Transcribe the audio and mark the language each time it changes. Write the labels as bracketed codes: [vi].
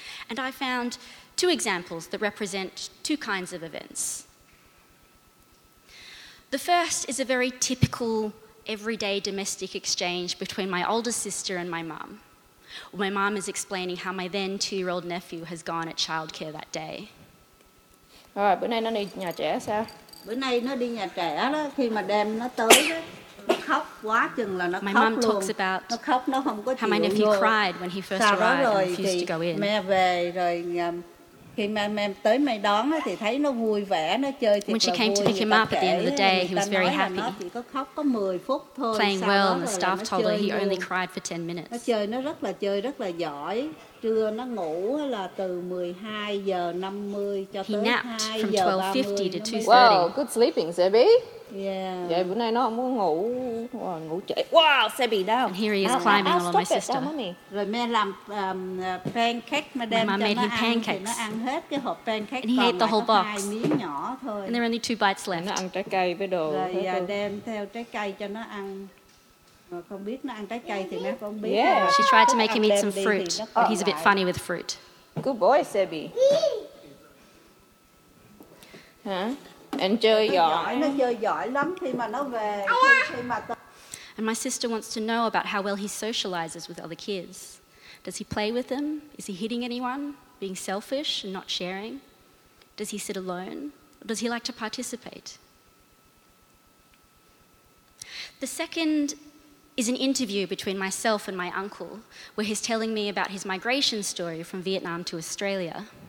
[en] And I found two examples that represent two kinds of events. The first is a very typical everyday domestic exchange between my older sister and my mum. My mum is explaining how my then 2-year-old nephew has gone at childcare that day. [vi] Rồi bữa nay nó đi nhà trẻ sao? Bữa nay nó đi nhà trẻ đó, khi mà đem nó tới đó, [en] My mum talks about how my nephew cried when he first arrived and refused to go in. When she came to pick him up at the end of the day, he was very happy, playing well, and the staff told her he only cried for 10 minutes. He napped from 12:50 to 2:30. Wow, good sleeping, Sebi. Yeah. Yeah, [vi] bữa nay nó không có ngủ, ngủ trễ. Wow, xe bị đau. [en] And here he is climbing all over my sister. [vi] Rồi mẹ làm pancake mà đem cho nó ăn. Thì nó ăn hết cái hộp pancake. [en] And he ate the whole box. [vi] Hai miếng nhỏ thôi. [en] And there are only two bites left. [vi] Nó ăn trái cây với đồ. Rồi đem theo trái cây cho nó ăn. Không biết nó ăn trái cây thì mẹ không biết. [en] Yeah. She tried to make him eat some fruit, but he's a bit funny with fruit. Good boy, Sebi. Huh? And [vi] chơi giỏi. Nó chơi giỏi lắm khi mà nó về. [en] And my sister wants to know about how well he socializes with other kids. Does he play with them? Is he hitting anyone? Being selfish and not sharing? Does he sit alone? Or does he like to participate? The second is an interview between myself and my uncle, where he's telling me about his migration story from Vietnam to Australia.